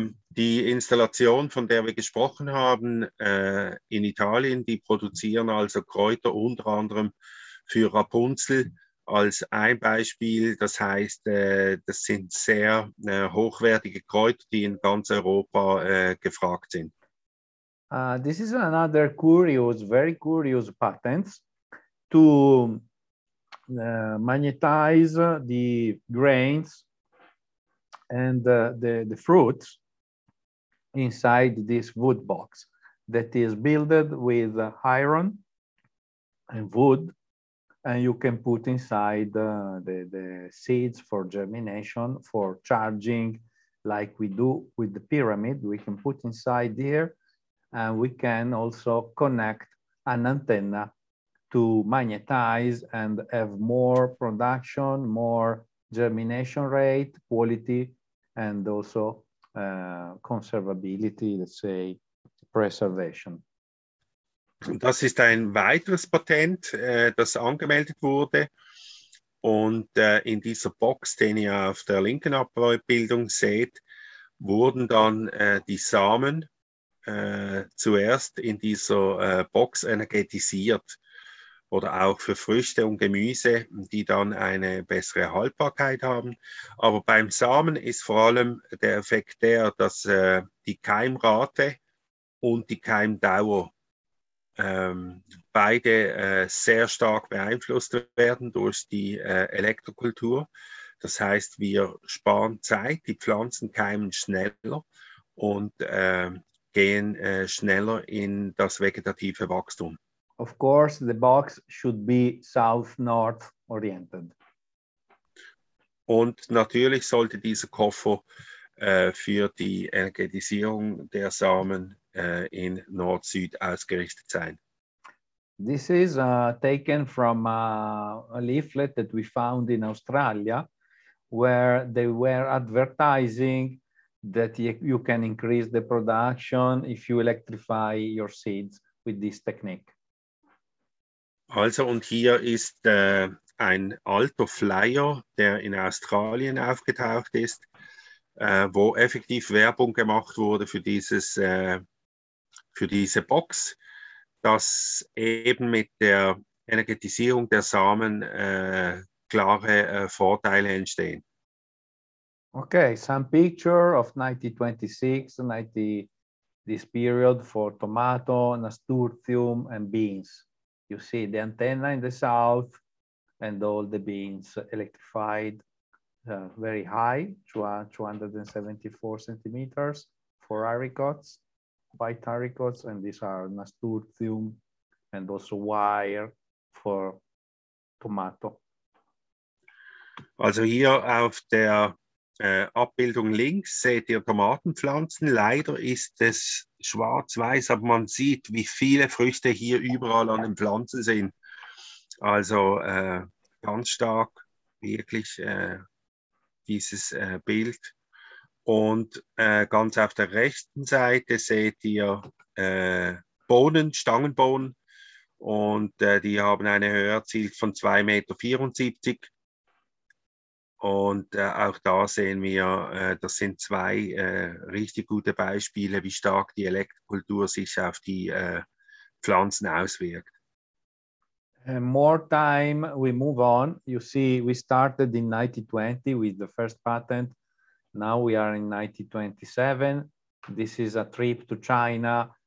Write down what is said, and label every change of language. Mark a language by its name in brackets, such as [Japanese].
[German] Die Installation, von der wir gesprochen haben, in Italien, die produzieren also Kräuter unter anderem für Rapunzel als ein Beispiel. Das heißt, das sind sehr hochwertige Kräuter, die in ganz Europa gefragt sind. [English] This is another curious, very curious patent to magnetize the grains and the fruits inside this wood box that is built with iron and wood, and you can put inside the seeds for germination, for charging, like we do with the pyramid. We can put inside there, and we can also connect an antenna to magnetize and have more production, more germination rate, quality, and also conservability, let's say, preservation. [German] Das ist ein weiteres Patent, das angemeldet wurde. Und in dieser Box, den ihr auf der linken Abbildung seht, wurden dann die Samen zuerst in dieser Box energetisiert oder auch für Früchte und Gemüse, die dann eine bessere Haltbarkeit haben. Aber beim Samen ist vor allem der Effekt der, dass die Keimrate und die Keimdauer beide sehr stark beeinflusst werden durch die Elektrokultur. Das heißt, wir sparen Zeit, die Pflanzen keimen schneller und gehen schneller in das vegetative Wachstum. [English] Of course, the box should be south-north oriented. [German] Und natürlich sollte dieser Koffer für die Energetisierung der Samen in Nord-Süd ausgerichtet sein. [English] This is taken from a leaflet that we found in Australia, where they were advertising that you can increase the production if you electrify your seeds with this technique. [German] Also, und hier ist ein alter Flyer, der in Australien aufgetaucht ist, wo effektiv Werbung gemacht wurde für dieses für diese Box, dass eben mit der Energetisierung der Samen klare Vorteile entstehen. [English] Okay, some picture of 1926, this period for tomato, nasturtium and beans. You see the antenna in the south and all the beans electrified very high, 274 centimeters for haricots, white haricots, and these are nasturtium and also wire for tomato. [German] Also hier auf der Abbildung links seht ihr Tomatenpflanzen. Leider ist es schwarz-weiß, aber man sieht, wie viele Früchte hier überall an den Pflanzen sind. Also ganz stark, wirklich dieses Bild. Und ganz auf der rechten Seite seht ihr Bohnen, Stangenbohnen. Und die haben eine Höhe erzielt von 2,74 Meter. Und auch da sehen wir, das sind zwei richtig gute Beispiele, wie stark die Elektrokultur sich auf die Pflanzen auswirkt. [English] And more time, we move on. You see, we started in 1920 with the first patent. Now we are in 1927. This is a trip to China.